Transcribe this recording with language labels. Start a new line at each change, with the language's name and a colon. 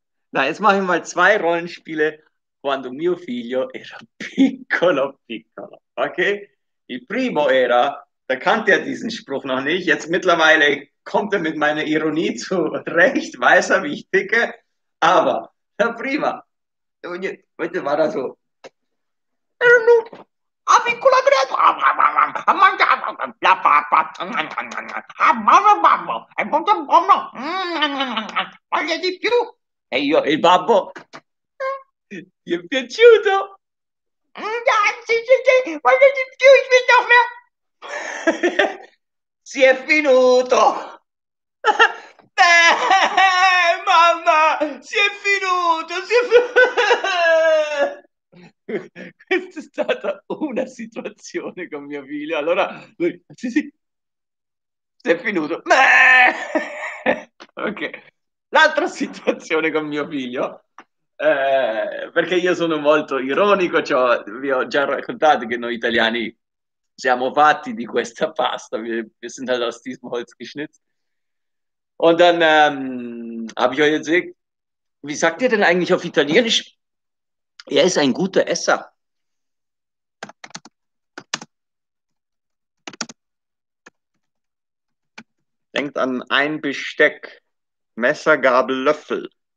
German: Na, jetzt mache ich mal 2 Rollenspiele
Italian: quando mio figlio era piccolo, piccolo.
German: Okay?
Italian: Il primo era,
German: da kannte er diesen Spruch noch nicht, jetzt mittlerweile kommt er mit meiner Ironie zurecht, weiß er, wie ich ticke, aber, na prima. Und jetzt, heute war er so
Italian: a piccolo greco, a mangiare, a è molto buono, voglio di più. E io, il babbo, ti è piaciuto? Sì, sì, sì, voglio di più, il mio figlio. Si è finito. Mamma, si è finito, si è finito. Questa è stata una situazione con mio figlio. Allora lui sì, sì, si è finito. Beh! Ok, l'altra situazione con mio figlio, perché io sono molto ironico, cioè, vi ho già raccontato che noi italiani siamo fatti di questa pasta,
German: wir sind halt aus diesem Holz geschnitzt. Und dann habe ich euch gesagt, wie sagt ihr denn eigentlich auf Italienisch? Er ist ein guter Esser. Denkt an ein Besteck, Messer, Gabel, Löffel.